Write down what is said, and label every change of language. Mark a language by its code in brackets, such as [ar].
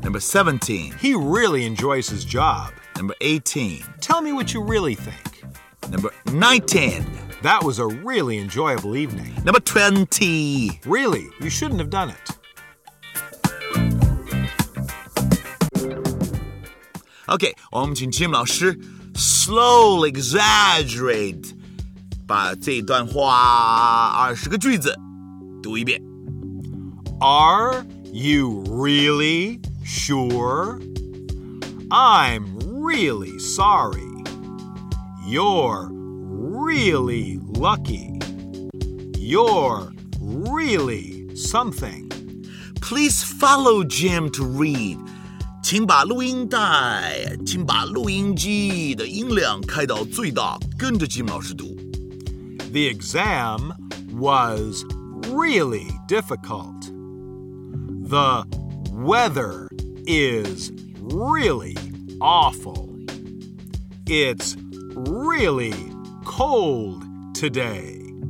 [en] Number 17. He really enjoys his job. Number 18. Tell me what you really think. Number 19. That was a really enjoyable evening. Number 20. Really, you shouldn't have done it. [zh] 我们请 Jim 老师 [en] slowly exaggerate [zh] 把这段话20个句子读一遍。 [en] Are you really... Sure. I'm really sorry. You're really lucky. You're really something. Please follow Jim to read. [zh] 请把录音带，请把录音机的音量开到最大，跟着 Jim 老师读。 [en] The exam was really difficult. The weather. Is really awful. It's really cold today.